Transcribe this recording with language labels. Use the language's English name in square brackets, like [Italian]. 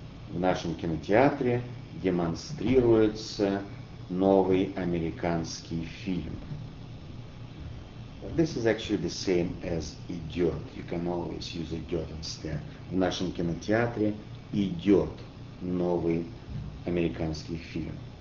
[Russian] В нашем кинотеатре демонстрируется новый американский фильм. [English] This is actually the same as идет. You can always use идет instead. [Russian] В нашем кинотеатре идет новый американский фильм.